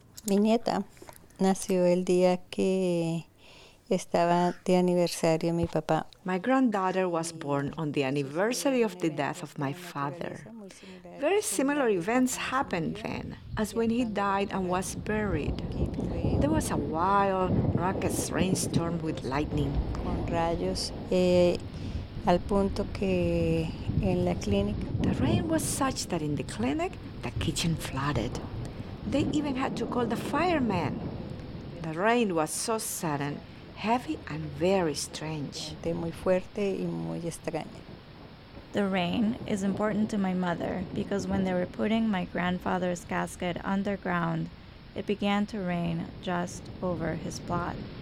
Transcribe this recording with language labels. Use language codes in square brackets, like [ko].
[es] Mi nieta nació el día que estaba de aniversario mi papá. [en] My granddaughter was born on the anniversary of the death of my father. Very similar events happened then, as when he died and was buried. There was a wild, raucous rainstorm with lightning. [es] Con rayos, al punto que en la clínica. [en] The rain was such that in the clinic, the kitchen flooded. They even had to call the fireman. The rain was so sudden, heavy and very strange. [es] Muy fuerte y muy extraña. [en] The rain is important to my mother because when they were putting my grandfather's casket underground, it began to rain just over his plot.